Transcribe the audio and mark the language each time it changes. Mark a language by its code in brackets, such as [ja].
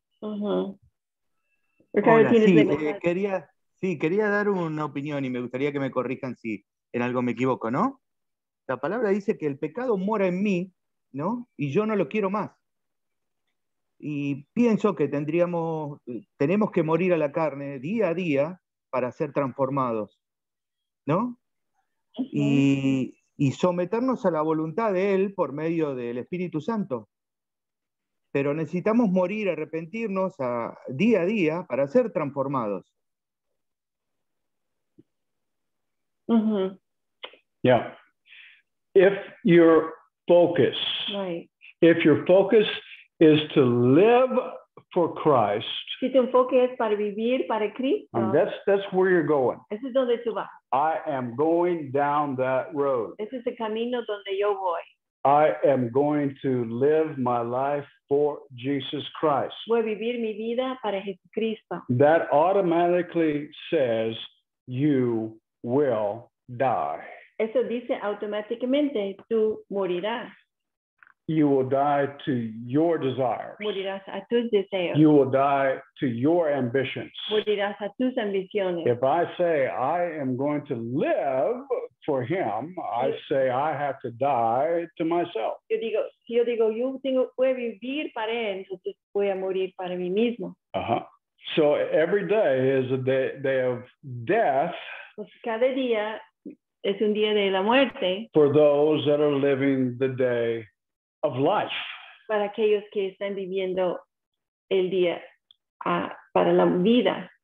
[es] Uh-huh. Ricardo, hola, sí, quería dar una opinión y me gustaría que me corrijan si en algo me equivoco, ¿no? La palabra dice que el pecado mora en mí, ¿no? Y yo no lo quiero más. Y pienso que tenemos que morir a la carne día a día para ser transformados, ¿no? Uh-huh. Y someternos a la voluntad de Él por medio del Espíritu Santo. Pero necesitamos morir, arrepentirnos día a día para ser transformados. Mm-hmm. [en] Yeah. If your focus, right. If your focus is to live for Christ, [es] si tu enfoque es para vivir para Cristo, [en] and that's where you're going. [es] Ese es donde tú vas. [en] I am going down that road. [es] Ese es el camino donde yo voy. [en] I am going to live my life for Jesus Christ. [es] Voy a vivir mi vida para Jesucristo. [en] That automatically says you will die. [es] Eso dice automáticamente, tú morirás. [en] You will die to your desires. [es] Morirás a tus deseos. [en] You will die to your ambitions. [es] Morirás a tus ambiciones. [en] If I say I am going to live for him, I say I have to die to myself. [es] Yo digo, yo tengo que vivir para él, entonces voy a morir para mí mismo. Uh-huh. [en] So every day is a day of death. [es] Pues cada día es un día de la muerte. [en] For those that are living the day of life. [es] Para aquellos que están viviendo el día para la vida.